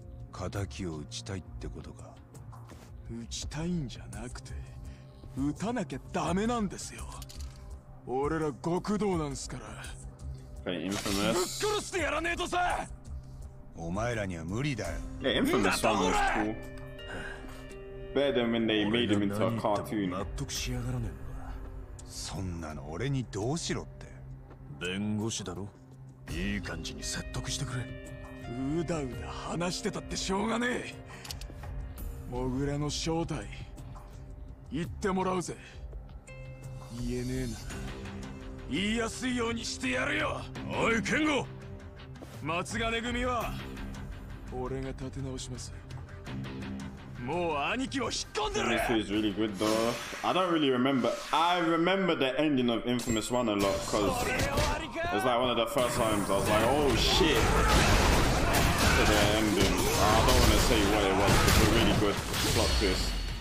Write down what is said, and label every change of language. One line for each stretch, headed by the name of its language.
Japanese: 仇を討ちたいってことか。討ちたいんじゃなくて、撃たなきゃダメなんですよ。俺ら極道なんすから。
English: Hey, infamous.
Japanese: ぶっ殺してやらねえとさ。お前らには無理だよ。
English: Hey, infamous one was cool. Better than when they made him into a cartoon.
Japanese: 納得しやがらねえ。そんなの俺にどうしろって。弁護士だろ。いい感じに説得してくれ。うだうだ話してたってしょうがねえ。モグラの正体言ってもらうぜ。言えねえな。言いやすいようにしてやるよ。おい剣豪、松金組は俺が立て直します。もう兄貴を引っ込んでる。
English: This is really good though. I don't really remember. I remember the ending of Infamous One a lot because it's like one of the first times I was like, oh shit. To the ending. I don't want to say what it was, but it's a really good plot twist.